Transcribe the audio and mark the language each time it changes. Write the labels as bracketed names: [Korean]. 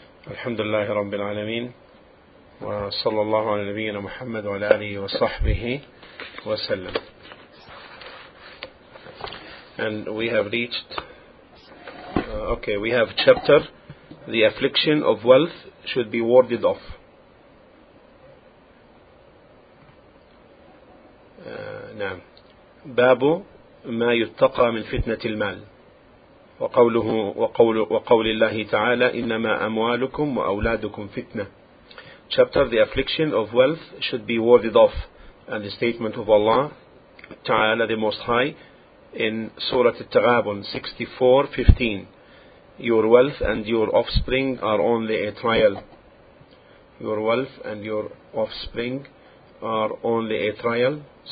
[Arabic] الحمد لله رب العالمين، وصلى الله على نبينا محمد وعلى آله وصحبه وسلم. [English] And we have reached we have chapter The Affliction of Wealth Should Be Warded Off. [Arabic] نعم. باب ما يتقى من فتنة المال، وقول الله تعالى إنما أموالكم وأولادكم فتنة. [English] Chapter The Affliction of Wealth Should Be Warded Off, and the statement of Allah Ta'ala the Most High in Surah At-Taghabun 64:15: Your wealth and your offspring are only a trial. Your wealth and your offspring are only a trial.